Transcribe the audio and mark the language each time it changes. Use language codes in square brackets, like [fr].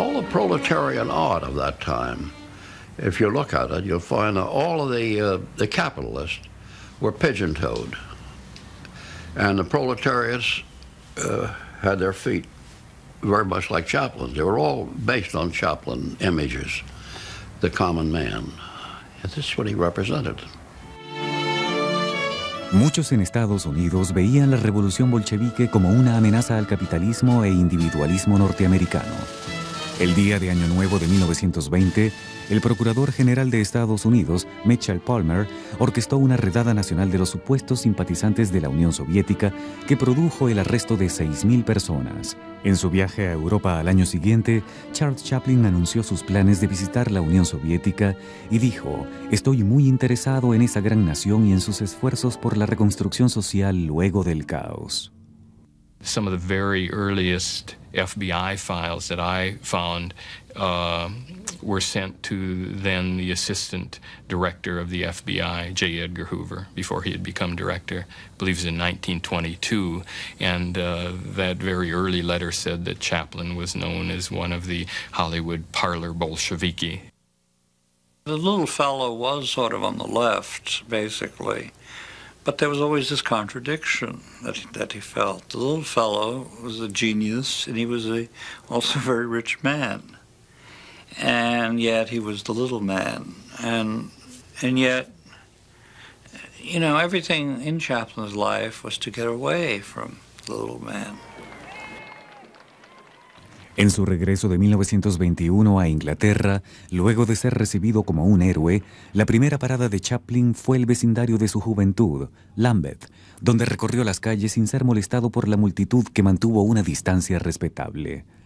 [en] Proletarian art of that time, if you look at it, you'll find that all of the capitalists were pigeon-toed, and the proletariats had their feet very much like Chaplin's. They were all based on Chaplin images, the common man. And this is what he represented. [es] Muchos en Estados Unidos veían la revolución bolchevique como una amenaza al capitalismo e individualismo norteamericano. El día de Año Nuevo de 1920, el procurador general de Estados Unidos, Mitchell Palmer, orquestó una redada nacional de los supuestos simpatizantes de la Unión Soviética que produjo el arresto de 6.000 personas. En su viaje a Europa al año siguiente, Charles Chaplin anunció sus planes de visitar la Unión Soviética y dijo: "Estoy muy interesado en esa gran nación y en sus esfuerzos por la reconstrucción social luego del caos". [en] Some of the very earliest FBI files that I found were sent to then the assistant director of the FBI, J. Edgar Hoover, before he had become director. I believe it was in 1922. And that very early letter said that Chaplin was known as one of the Hollywood parlor Bolsheviki. The little fellow was sort of on the left, basically. But there was always this contradiction that he felt. The little fellow was a genius, and he was also a very rich man. And yet he was the little man. And yet, you know, everything in Chaplin's life was to get away from the little man. [es] En su regreso de 1921 a Inglaterra, luego de ser recibido como un héroe, la primera parada de Chaplin fue el vecindario de su juventud, Lambeth, donde recorrió las calles sin ser molestado por la multitud, que mantuvo una distancia respetable.